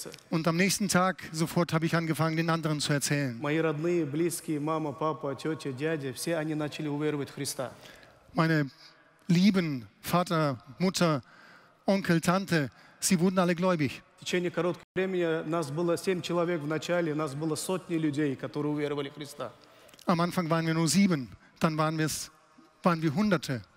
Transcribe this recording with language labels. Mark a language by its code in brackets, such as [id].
[de] Und am nächsten Tag sofort habe ich angefangen, den anderen zu erzählen. [ru] Мои родные, близкие, мама, папа, тетя, дядя, все они начали уверовать в Христа. [de] Meine Lieben, Vater, Mutter, Onkel, Tante, sie wurden alle gläubig. [ru] В течение короткого времени нас было 7 человек в начале, нас было сотни людей, которые уверовали в Христа. [de] Am Anfang waren wir nur 7, dann waren wir Hunderte.